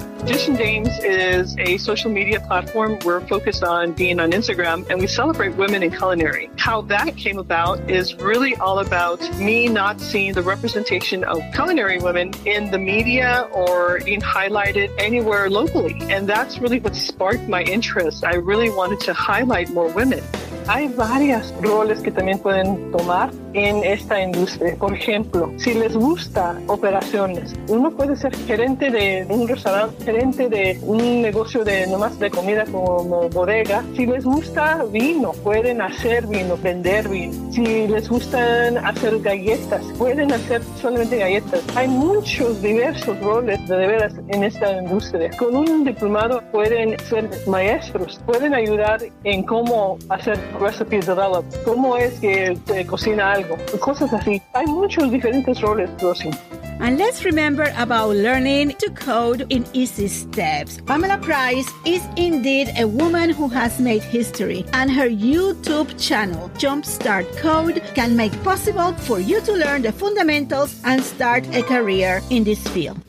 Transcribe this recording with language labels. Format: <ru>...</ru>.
<en>Dish and Dames is a social media platform. We're focused on being on Instagram, and we celebrate women in culinary. How that came about is really all about me not seeing the representation of culinary women in the media or being highlighted anywhere locally. And that's really what sparked my interest. I really wanted to highlight more women.</en> <es>Hay varias roles que también pueden tomar en esta industria. Por ejemplo, si les gusta operaciones, uno puede ser gerente de un restaurante, gerente de un negocio de nomás de comida como bodega. Si les gusta vino, pueden hacer vino, vender vino. Si les gustan hacer galletas, pueden hacer solamente galletas. Hay muchos diversos roles de veras en esta industria. Con un diplomado pueden ser maestros, pueden ayudar en cómo hacer</es> <en>recipe develop,</en> <es>cómo es que te cocina algo, cosas así. Hay muchos diferentes roles, Rosy.</es> <en>And let's remember about learning to code in easy steps. Pamela Price is indeed a woman who has made history, and her YouTube channel, Jumpstart Code, can make possible for you to learn the fundamentals and start a career in this field.</en>